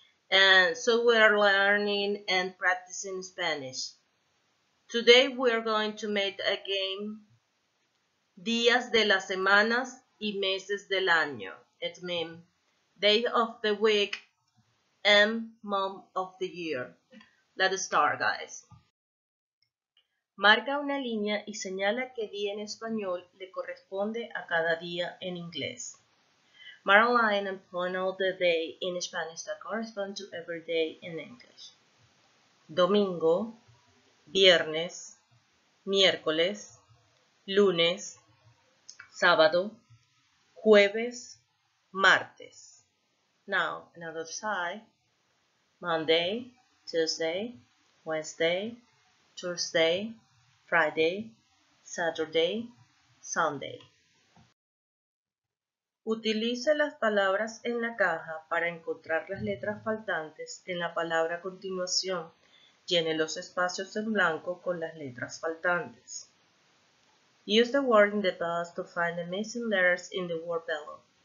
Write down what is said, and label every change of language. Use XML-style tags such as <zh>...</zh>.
<en>And so we are learning and practicing Spanish. Today we are going to make a game,</en> <es>Días de las Semanas y Meses del Año.</es> <en>It means day of the week and month of the year. Let's start, guys.</en> <es>Marca una línea y señala qué día en español le corresponde a cada día en inglés.</es> <en>Mark a line and point out the day in Spanish that corresponds to every day in English.</en> <es>Domingo, viernes, miércoles, lunes, sábado, jueves, martes.</es> <en>Now, another side. Monday, Tuesday, Wednesday, Thursday, Friday, Saturday, Sunday.</en> <es>Utilice las palabras en la caja para encontrar las letras faltantes en la palabra a continuación. Llene los espacios en blanco con las letras faltantes.</es> <en>Use the word in the box to find the missing letters in the word below.</en>